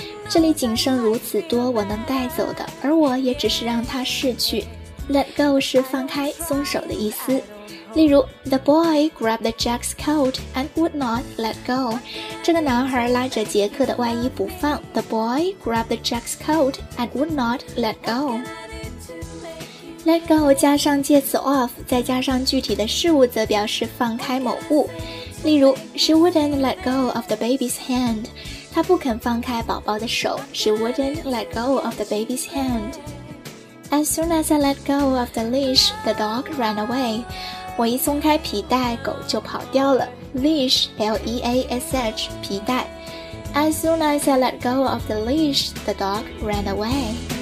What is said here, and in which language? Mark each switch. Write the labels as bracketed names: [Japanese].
[Chinese] 这里仅剩如此多我能带走的，而我也只是让它逝去。 [English] Let go [Chinese] 是放开、松手的意思。例如 [English] ,The boy grabbed Jack's coat and would not let go. [Chinese] 这个男孩拉着杰克的外衣不放。 [English] The boy grabbed Jack's coat and would not let go. Let go [Chinese] 加上介词 of, 再加上具体的事物则表示放开某物。例如 [English] ,She wouldn't let go of the baby's hand. [Chinese] 她不肯放开宝宝的手。 [English] She wouldn't let go of the baby's hand. As soon as I let go of the leash, the dog ran away. [Chinese] 我一松开皮带，狗就跑掉了。 [English] Leash, L-E-A-S-H, [Chinese] 皮带。 [English] As soon as I let go of the leash, the dog ran away.